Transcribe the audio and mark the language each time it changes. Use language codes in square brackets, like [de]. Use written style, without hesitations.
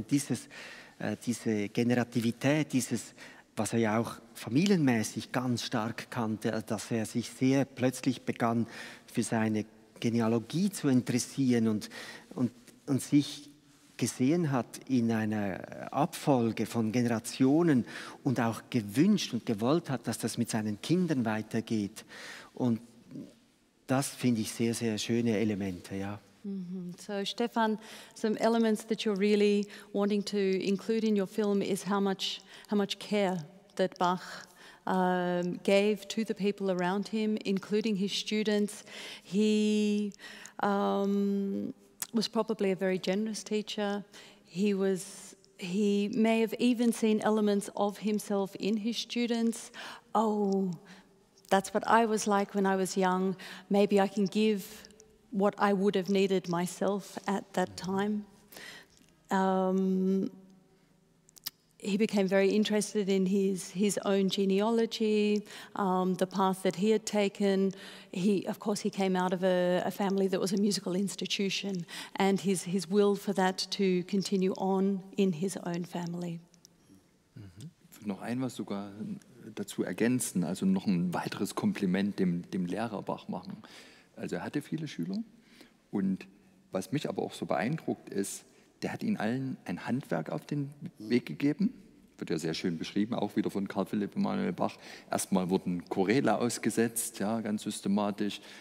[de] Und diese Generativität, dieses, was er ja auch familienmäßig ganz stark kannte, dass er sich sehr plötzlich begann, für seine Genealogie zu interessieren und sich gesehen hat in einer Abfolge von Generationen und auch gewünscht und gewollt hat, dass das mit seinen Kindern weitergeht. Und das finde ich sehr, sehr schöne Elemente, ja. Mm-hmm. [en] So, Stefan, some elements that you're really wanting to include in your film is how much care that Bach gave to the people around him, including his students. He was probably a very generous teacher. He was he may have even seen elements of himself in his students. Oh, that's what I was like when I was young. Maybe I can give what I would have needed myself at that time. He became very interested in his own genealogy, the path that he had taken. He, of course, he came out of a family that was a musical institution, and his will for that to continue on in his own family. Mm-hmm. [de] Noch ein was sogar dazu ergänzen, also noch ein weiteres Kompliment dem Lehrer Bach machen. Also er hatte viele Schüler, und was mich aber auch so beeindruckt ist, der hat ihnen allen ein Handwerk auf den Weg gegeben. Wird ja sehr schön beschrieben, auch wieder von Carl Philipp Emanuel Bach. Erstmal wurden Choräle ausgesetzt, ja, ganz systematisch.